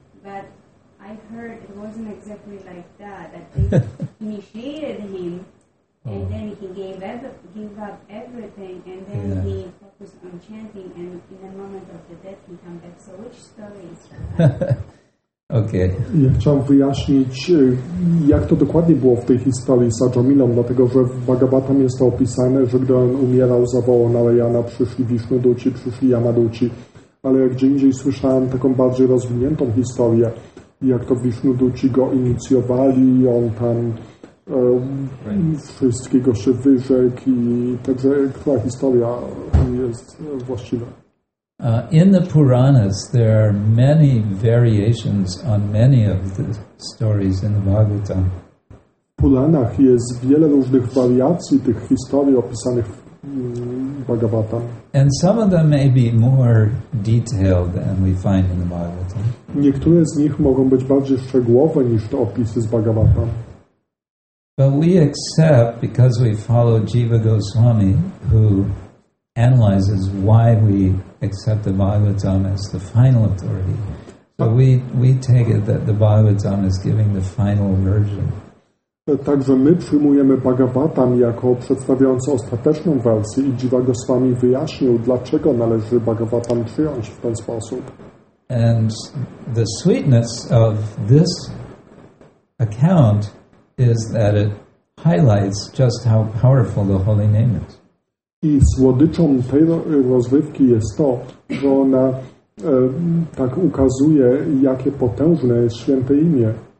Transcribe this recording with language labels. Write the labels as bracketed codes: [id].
[en] But I heard it wasn't exactly like that. That they initiated him, and then he gave up everything, and then he focused on chanting, and in the moment of the death he came back. So which story is that? Okay. [pl] Ja chciałam wyjaśnić, jak to dokładnie było w tej historii z Ajamilą, dlatego że w Bhagavatam jest to opisane, że gdy on umierał, zawołał Narayana, przyszli Vishnuduci, przyszli Yamaduci. Ale gdzie indziej słyszałem taką bardziej rozwiniętą historię, jak to Vishnuduci go inicjowali, on tam wszystkiego się wyrzekł. I także która historia jest właściwa? [en] In the Puranas, there are many variations on many of the stories in the Bhagavatam. [pl] W Puranach jest wiele różnych wariacji tych historii opisanych w Bhagavatam. [en] And some of them may be more detailed than we find in the Bhagavatam. [pl] Niektóre z nich mogą być bardziej szczegółowe niż te opisy z Bhagavatam. [en] But we accept, because we follow Jiva Goswami, who analyzes why we accept the Bhagavatam as the final authority. So we take it that the Bhagavatam is giving the final version. [pl] Także my przyjmujemy Bhagavatam jako przedstawiający ostateczną wersję i Jiva Goswami wyjaśnił, dlaczego należy Bhagavatam przyjąć w ten sposób. [en] And the sweetness of this account is that it highlights just how powerful the holy name is. [pl] I słodyczą tej rozrywki jest to, że ona tak ukazuje, jakie potężne jest święte imię.